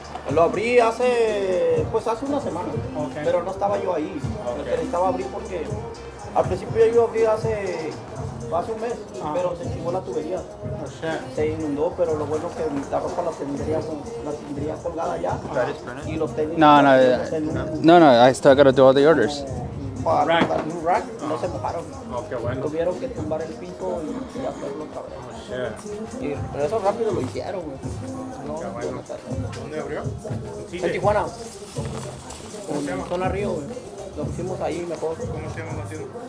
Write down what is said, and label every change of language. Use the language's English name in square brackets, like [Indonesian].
[Spanish] Lo abrí hace, pues hace una semana, pero no estaba yo ahí. Necesitaba abrir porque al principio yo abrí hace un mes, pero se chingó la tubería. Se inundó, pero lo bueno que mi ropa la tendría colgada ya. Y los tenis. [English] No, I still gotta do all the orders. [Spanish] Rack. No se mojaron. Okay, bueno. Tuvieron que tumbar el pico y hacerlo otra vez. Yeah. Y eso rápido lo hicieron, güey. No, ¿dónde abrió? En Tijuana. ¿Cómo se llama? Zona Río, güey. Lo pusimos ahí mejor. ¿Cómo se llama la tienda?